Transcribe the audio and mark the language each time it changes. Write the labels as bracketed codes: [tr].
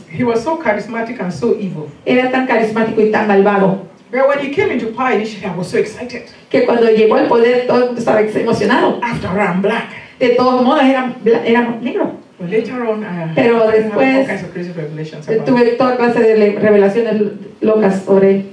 [en] He was so charismatic and so evil. [es] Era tan carismático y tan malvado. [en] But when he came into power initially, I was so excited. [es] Que cuando llegó al poder todo el mundo estaba emocionado. [en] After all, I'm black. [es] De todos modos era negro. [en] Well, later on, [es] pero después tuve toda clase de revelaciones locas sobre él.